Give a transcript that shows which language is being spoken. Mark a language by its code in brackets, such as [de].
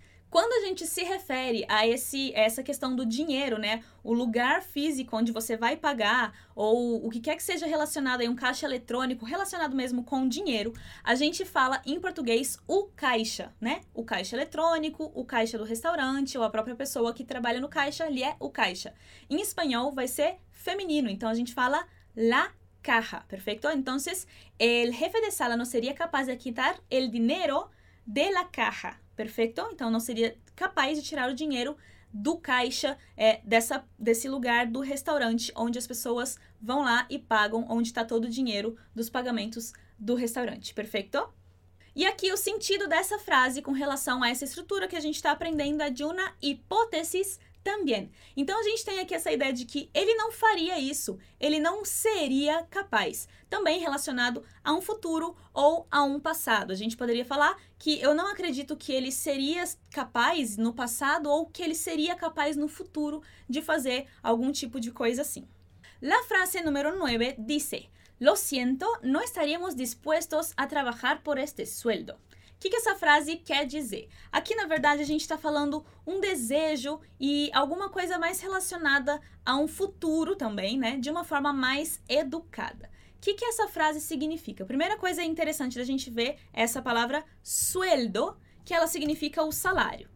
[pt] Quando a gente se refere a essa questão do dinheiro, né, o lugar físico onde você vai pagar, ou o que quer que seja relacionado a um caixa eletrônico, relacionado mesmo com dinheiro, a gente fala em português o caixa, né? O caixa eletrônico, o caixa do restaurante, ou a própria pessoa que trabalha no caixa, ali é o caixa. Em espanhol vai ser feminino, então a gente fala la caja, perfeito? [es] Então, el jefe de sala no seria capaz de quitar el dinero de la caja. [pt] Perfeito? Então, não seria capaz de tirar o dinheiro do caixa, desse lugar do restaurante onde as pessoas vão lá e pagam, onde está todo o dinheiro dos pagamentos do restaurante. Perfeito? E aqui o sentido dessa frase com relação a essa estrutura que a gente está aprendendo é de uma hipótese também. Então, a gente tem aqui essa ideia de que ele não faria isso, ele não seria capaz. Também relacionado a um futuro ou a um passado. A gente poderia falar que eu não acredito que ele seria capaz no passado ou que ele seria capaz no futuro de fazer algum tipo de coisa assim. [es] La frase número 9 dice: Lo siento, no estaríamos dispuestos a trabajar por este sueldo. [pt] O que, que essa frase quer dizer? Aqui, na verdade, a gente está falando um desejo e alguma coisa mais relacionada a um futuro também, né? De uma forma mais educada. O que, que essa frase significa? A primeira coisa interessante da gente ver é essa palavra sueldo, que ela significa o salário.